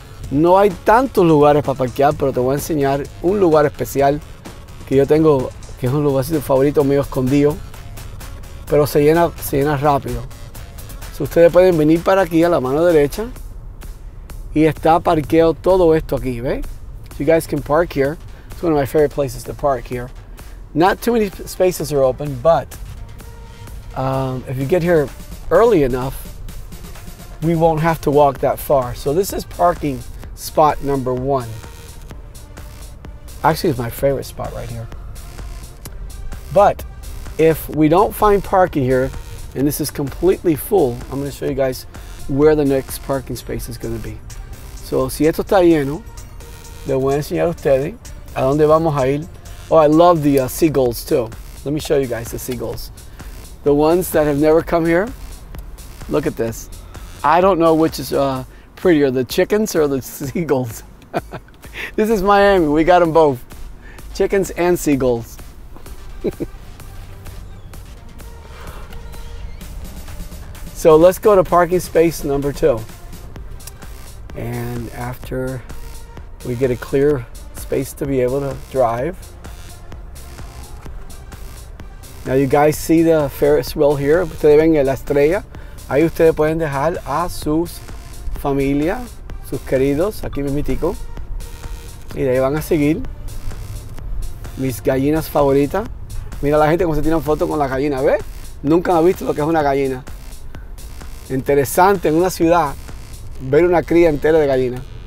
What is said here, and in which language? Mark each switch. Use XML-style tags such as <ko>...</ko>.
<es>No hay tantos lugares para parquear, pero te voy a enseñar un lugar especial que yo tengo, que es un lugarcito favorito mío escondido, pero se llena rápido. Si ustedes pueden venir para aquí a la mano derecha y está parqueado todo esto aquí, ¿ve?</es> <en>So you guys can park here. It's one of my favorite places to park here. Not too many spaces are open, but if you get here early enough, we won't have to walk that far. So this is parking spot number one. Actually, it's my favorite spot right here. But if we don't find parking here, and this is completely full, I'm gonna show you guys where the next parking space is gonna be.</en> <es>So, si esto está lleno, le voy a enseñar a ustedes a dónde vamos a ir.</es> <en>Oh, I love the seagulls too. Let me show you guys the seagulls. The ones that have never come here, look at this. I don't know which is prettier, the chickens or the seagulls. This is Miami, we got them both. Chickens and seagulls. So let's go to parking space number two. And after we get a clear space to be able to drive. Now you guys see the Ferris wheel here.</en> <es>Ustedes ven la estrella. Ahí ustedes pueden dejar a sus familia, sus queridos, aquí mi mitico. Y de ahí van a seguir. Mis gallinas favoritas. Mira la gente cómo se tiran fotos con la gallina, ¿ves? Nunca ha visto lo que es una gallina. Interesante en una ciudad ver una cría entera de gallina.</es>